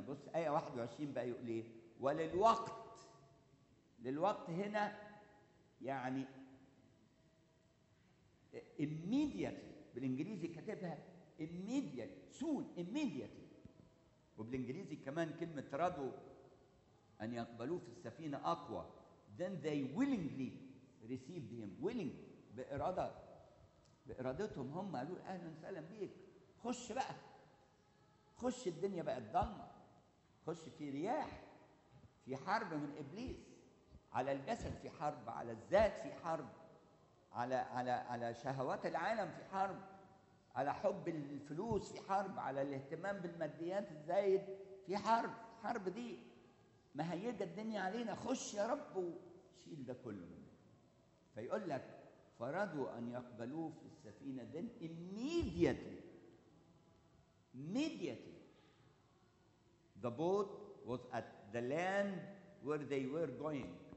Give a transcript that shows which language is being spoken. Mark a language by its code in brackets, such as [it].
[ar] بص آية 21 بقى يقول ايه؟ وللوقت, للوقت هنا يعني immediately, بالانجليزي كتبها [en] immediately, soon, immediately. [ar] وبالانجليزي كمان كلمة رضوا أن يقبلوه في السفينة أقوى. [en] Then they willingly received him. [ar] Willing بإرادة, بإرادتهم هم قالوا أهلا وسهلا بيك, خش بقى, خش. الدنيا بقت ضلمة, خش في رياح, في حرب من إبليس على الجسد, في حرب على الذات, في حرب على على على شهوات العالم, في حرب على حب الفلوس, في حرب على الاهتمام بالماديات الزايد, في حرب, حرب دي مهيجة الدنيا علينا. خش يا رب وشيل ده كله منك. فيقول لك فرادوا أن يقبلوه في السفينة دين [en] immediately, immediately the boat was at the land where they were going.